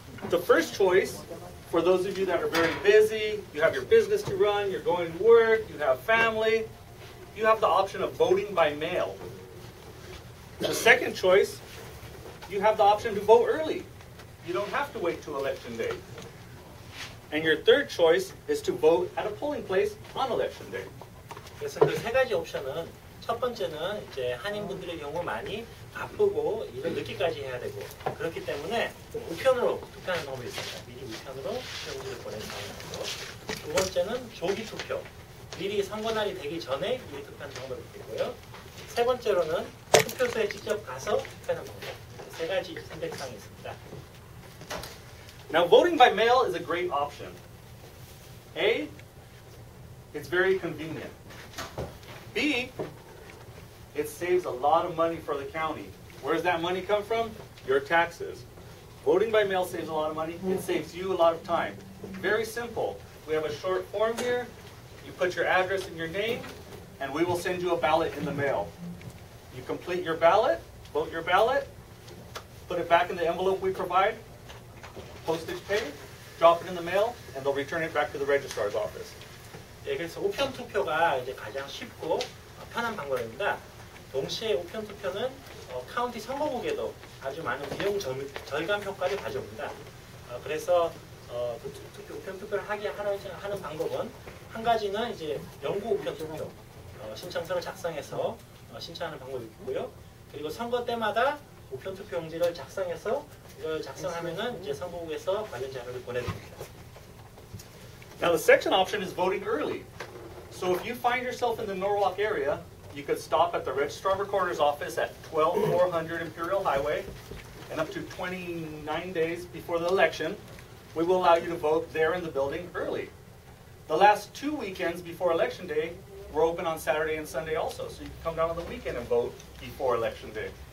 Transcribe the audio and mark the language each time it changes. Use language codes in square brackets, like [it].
[en] The first choice, for those of you that are very busy, you have your business to run, you're going to work, you have family, you have the option of voting by mail. The second choice, you have the option to vote early. You don't have to wait till election day. And your third choice is to vote at a polling place on election day. [ko] 그래서 그 세 가지 옵션은 첫 번째는 이제 한인분들의 경우 많이 바쁘고 일을 늦게까지 해야 되고 그렇기 때문에 우편으로 투표하는 방법이 있습니다. 미리 우편으로 투표용지를 보내는 방법이고 두 번째는 조기 투표. 미리 선거날이 되기 전에 미리 투표하는 방법이 있고요. 세 번째로는 투표소에 직접 가서 투표하는 방법. 세 가지 선택사항이 있습니다. [en] Now voting by mail is a great option. A, it's very convenient. B, it saves a lot of money for the county. Where does that money come from? Your taxes. Voting by mail saves a lot of money. It saves you a lot of time. Very simple. We have a short form here. You put your address and your name, and we will send you a ballot in the mail. You complete your ballot, vote your ballot, put it back in the envelope we provide, postage paid, drop it in the mail, and they'll return it back to the registrar's office. [ko] 예, 그래서 우편 투표가 이제 가장 쉽고 편한 방법입니다. 동시에 우편 투표는 카운티 선거국에도 아주 많은 비용 절감 효과를 가져옵니다. 그래서 우편 투표를 하는 방법은 한 가지는 이제 영구 우편 투표 신청서를 작성해서 신청하는 방법이 있고요. 그리고 선거 때마다 우편 투표 용지를 작성해서 이걸 작성하면은 이제 선거국에서 관련 자료를 보내드립니다. [en] Now the second option is voting early. So if you find yourself in the Norwalk area, you could stop at the Registrar Recorder's office at 12400 Imperial Highway, and up to 29 days before the election, we will allow you to vote there in the building early. The last two weekends before Election Day, we're open on Saturday and Sunday also, so you can come down on the weekend and vote before Election Day.